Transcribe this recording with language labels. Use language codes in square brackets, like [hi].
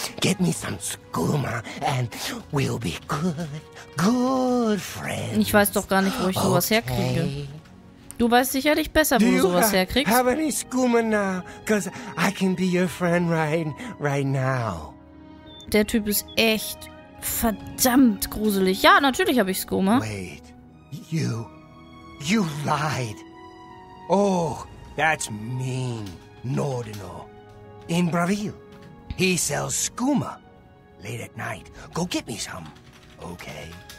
[en] Get me some Skooma and we'll be good friends. [de] Ich weiß doch gar nicht, wo ich sowas okay. herkriege. Du weißt sicherlich besser, wo du sowas herkriegst. [en] Do you have any Skooma now? Because I can be your friend right now. [de] Der Typ ist echt... verdammt gruselig. Ja, natürlich habe ich Skooma. [en] Wait. You lied. Oh, that's mean. Nordino. In Braville. He sells Skooma. Late at night. Go get me some. Okay.